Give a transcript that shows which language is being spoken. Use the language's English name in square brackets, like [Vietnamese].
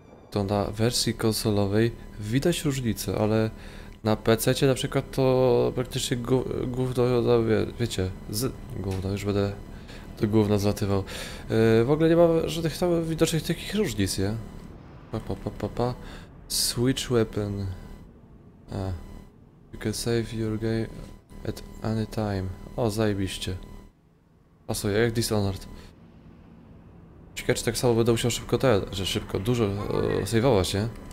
[Polish] To na wersji konsolowej widać różnicę, ale na PC-cie na przykład to praktycznie gówno, wiecie, gówno, już będę... To gówno zlatywał. W ogóle nie ma żadnych tam widocznych takich różnic, nie? [English] Pa. Switch weapon. You can save your game at any time. [Polish] O, zajebiście. Pasuje, jak Dishonored. Ciekawe, czy tak samo będę musiał szybko te, że szybko, dużo save'ować, nie?